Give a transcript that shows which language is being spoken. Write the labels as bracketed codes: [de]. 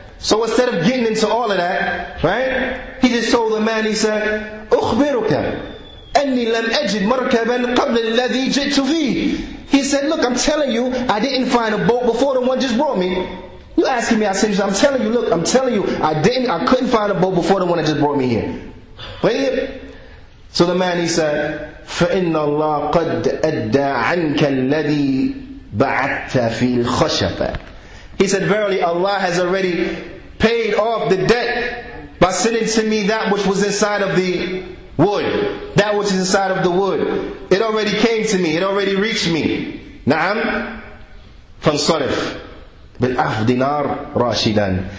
[en] So instead of getting into all of that, right? He just told the man, he said, [ar] "Ukhbiruka anni lam ajid markaban qabla alladhi ji'tu fihi." [en] He said, "Look, I'm telling you, I didn't find a boat before the one just brought me. You asking me, I said, I'm telling you, look, I'm telling you, I couldn't find a boat before the one that just brought me here." [ar] طيب. [en] So the man, he said, [ar] فَإِنَّ اللَّهَ قَدْ أَدَّى عَنْكَ الَّذِي بَعَثْتَ فِي الْخَشَفَ. [en] He said, "Verily Allah has already paid off the debt by sending to me that which was inside of the wood. That which is inside of the wood. It already came to me. It already reached me." نعم. [ar] فَانْصَرِفْ بِالْأَفْدِ دِنَارْ رَاشِدًا.